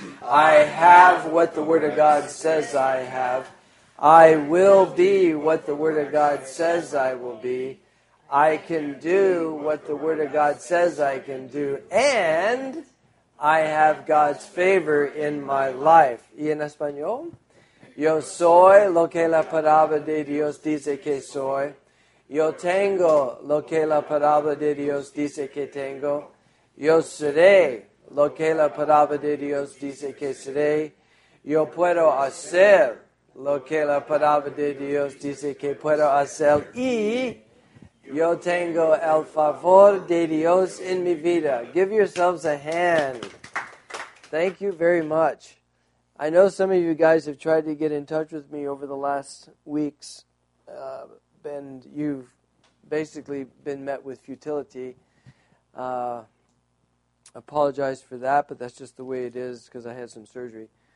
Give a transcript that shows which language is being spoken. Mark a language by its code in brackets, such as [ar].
[en] I have what the Word of God says I have. I will be what the Word of God says I will be. I can do what the Word of God says I can do. And I have God's favor in my life. [es] ¿Y en español? Yo soy lo que la palabra de Dios dice que soy. Yo tengo lo que la palabra de Dios dice que tengo. Yo seré lo que la palabra de Dios dice que seré. Yo puedo hacer lo que la palabra de Dios dice que puedo hacer. Y yo tengo el favor de Dios en mi vida. [en] Give yourselves a hand. Thank you very much. I know some of you guys have tried to get in touch with me over the last weeks, and you've basically been met with futility. Apologize for that, but that's just the way it is because I had some surgery.